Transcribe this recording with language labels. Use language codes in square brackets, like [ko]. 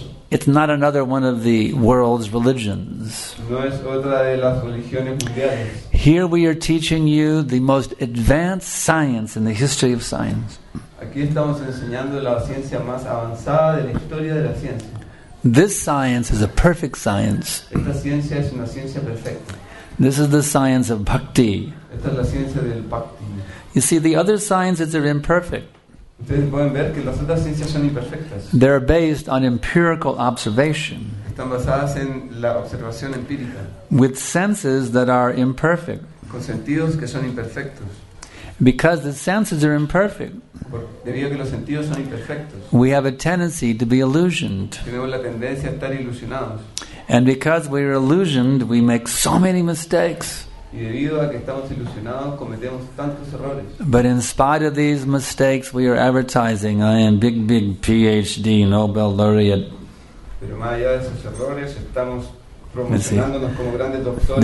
[en] It's not another one of the world's religions. [es] No es otra de las religiones mundiales. [en] Here we are teaching you the most advanced science in the history of science. [es] Aquí estamos enseñando la ciencia más avanzada de la historia de la ciencia. [en] This science is a perfect science. [es] Esta ciencia es una ciencia perfecta. [en] This is the science of bhakti. [es] Esta es la ciencia del bhakti. [en] You see, the other sciences are imperfect. [es] Ustedes pueden ver que las otras ciencias son imperfectas. [en] They're based on empirical observation. [es] Están basadas en la observación empírica. [en] With senses that are imperfect. [es] Con sentidos que son imperfectos. [en] Because the senses are imperfect. [es] Debido a que los sentidos son imperfectos. [en] We have a tendency to be illusioned. [es] Tenemos la tendencia a estar ilusionados. [en] And because we are illusioned, we make so many mistakes. [es] Y debido a que estamos ilusionados, cometemos tantos errores. [en] But in spite of these mistakes, we are advertising, I am big PhD, Nobel laureate. [es] Pero más allá de esos errores, estamos promocionándonos como grandes doctores.